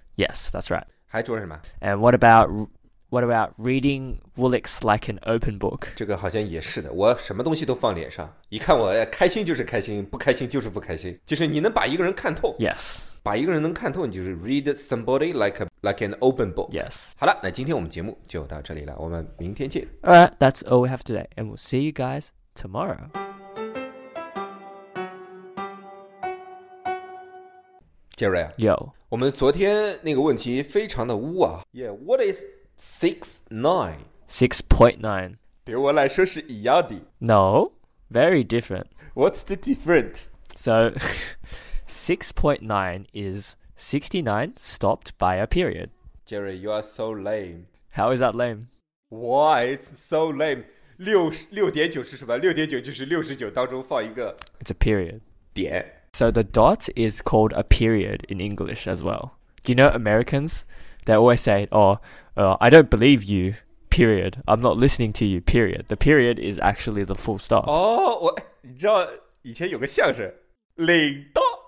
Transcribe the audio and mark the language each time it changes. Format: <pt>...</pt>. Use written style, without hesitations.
<en>Yes, that's right.</en> <zh>还做什么？</zh> <en>And what about reading Woolick's like an open book?</en> <zh>这个好像也是的，我什么东西都放脸上，一看我开心就是开心，不开心就是不开心，就是你能把一个人看透。</zh> <en>Yes.</en> <zh>把一个人能看透，你就是</zh> <en>read somebody like an open book. Yes.</en> <zh>好了，那今天我们节目就到这里了，我们明天见。</zh> <en>Alright, that's all we have today, and we'll see you guys tomorrow. Jerry, yo,</en> <zh>我们昨天那个问题非常的污啊。</zh> <en>Yeah, what is 6.9? 6.9.</en> <zh>对我来说是一样的。</zh> <en>No, very different. What's the different? So. 6.9 is 69 stopped by a period. Jerry, you are so lame. How is that lame? Why? It's so lame. 6.9 is 什么?</en> <zh>6.9 就是69当中放一个。</zh> <en>It's a period.</en> <zh>点。</zh> <en>So the dot is called a period in English as well. Do you know Americans? They always say, I don't believe you, period. I'm not listening to you, period. The period is actually the full stop.</en> <zh>哦，我，你知道以前有个相声，领导。</zh>